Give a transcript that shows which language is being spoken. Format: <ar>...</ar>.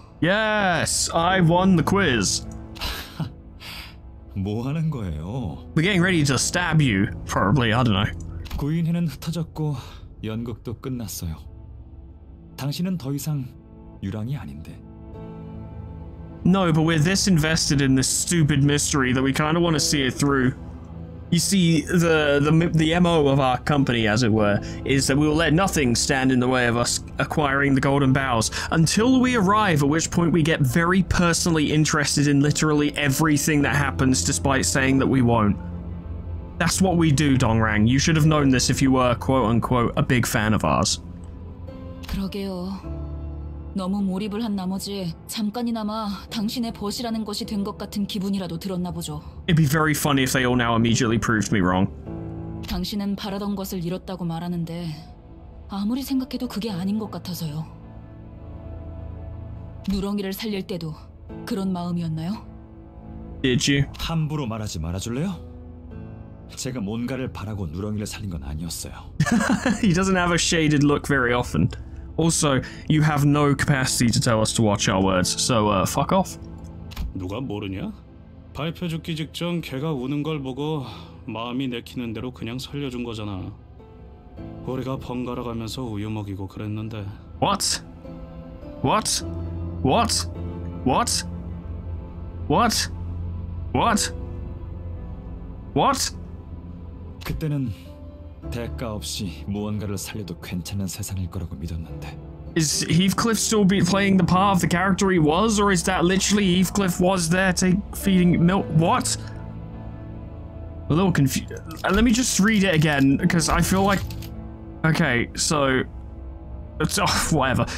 <en>Yes, I won the quiz.</en> <ko>뭐 하는 거예요?</ko> <en>We're getting ready to stab you, probably. I don't know.</en> <ko>구인회는 흩어졌고 연극도 끝났어요. 당신은 더 이상 유랑이 아닌데.</ko> <en>No, but we're this invested in this stupid mystery that we kind of want to see it through. You see, the MO of our company, as it were, is that we will let nothing stand in the way of us acquiring the golden boughs until we arrive, at which point we get very personally interested in literally everything that happens, despite saying that we won't. That's what we do, Dong Rang. You should have known this if you were, quote-unquote, a big fan of ours.</en> <ko>그러게요. 너무 몰입을 한 나머지 잠깐이나마 당신의 벗이라는 것이 된 것 같은 기분이라도 들었나 보죠.</ko> <en>It'd be very funny if they all now immediately proved me wrong.</en> <ko>당신은 바라던 것을 잃었다고 말하는데 아무리 생각해도 그게 아닌 것 같아서요. 누렁이를 살릴 때도 그런 마음이었나요?</ko> <en>Did you?</en> <ko>함부로 말하지 말아줄래요? 제가 뭔가를 바라고 누렁이를 살린 건 아니었어요.</ko> <en>He doesn't have a shaded look very often. Also, you have no capacity to tell us to watch our words, so fuck off.</en> <ko>누가 모르냐? 발표 죽기 직전 걔가 우는 걸 보고 마음이 내키는 대로 그냥 살려준 거잖아. 우리가 번갈아 가면서 우유 먹이고 그랬는데.</ko> <en>What? What? What? What? What? What? What?</en> <ko>그때는 대가 없이 무언가를 살려도 괜찮은 세상일 거라고 믿었는데.</ko> <en>Is Heathcliff still be playing the part of the character he was, or is that literally Heathcliff was there to feeding milk? What? A little confused. Let me just read it again, because I feel like... Okay, so... It's, oh, whatever.</en>